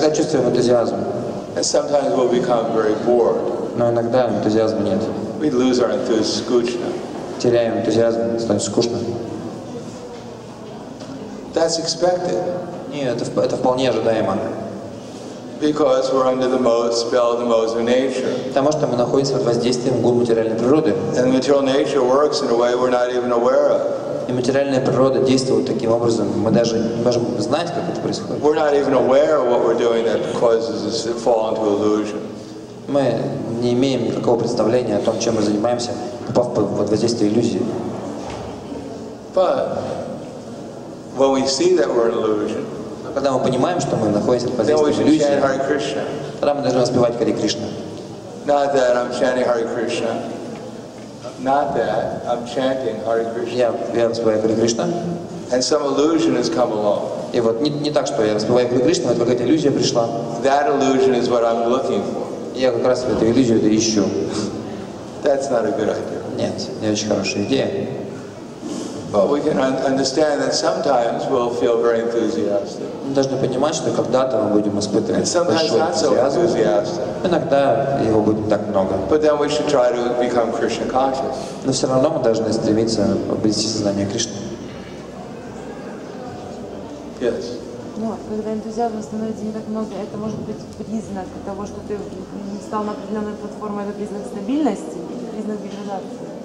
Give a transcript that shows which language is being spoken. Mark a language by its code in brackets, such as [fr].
[ru] Иногда чувствуем энтузиазм. [en] And sometimes we'll become very bored. [ru] Но иногда энтузиазма нет. [en] We lose our enthusiasm. [ru] Теряем энтузиазм, становится скучно. [en] That's expected. [ru] Нет, это вполне ожидаемо. [en] Because we're under the spell of the modes of nature. [ru] Потому что мы находимся под воздействием гун материальной природы. [en] And material nature works in a way we're not even aware of. [ru] И материальная природа действует таким образом, мы даже не можем знать, как это происходит. [en] We're not even aware of what we're doing that causes us to fall into illusion. [ru] Мы не имеем никакого представления о том, чем мы занимаемся, попав под воздействие иллюзии. [en] But when we see that we're in illusion, [ru] когда мы понимаем, что мы находимся под воздействием иллюзии, тогда мы должны воспевать Хари Кришна. [en] Not that I'm chanting Hari Krishna. Not that I'm chanting Hare Krishna. [ru] Я воспеваю Хари Кришна. [en] And some illusion has come along. [ru] И вот не так, что я воспеваю Хари Кришна, но это какая-то иллюзия пришла. [en] That illusion is what I'm looking for. [ru] Я как раз эту иллюзию ищу. [en] That's not a good idea. [ru] Нет, не очень хорошая идея. [en] But we can understand that sometimes we'll feel very enthusiastic. [ru] Мы должны понимать, что когда-то мы будем испытывать большой энтузиазм. [en] And sometimes not so enthusiastic. [ru] Иногда его будет так много. [en] But then we should try to become Krishna conscious. [ru] Но все равно мы должны стремиться обрести сознание Кришны. [en] Yes. [ru] Но когда энтузиазма становится не так много, это может быть признак того, что ты встал на определенную платформу, это признак стабильности или признак деградации?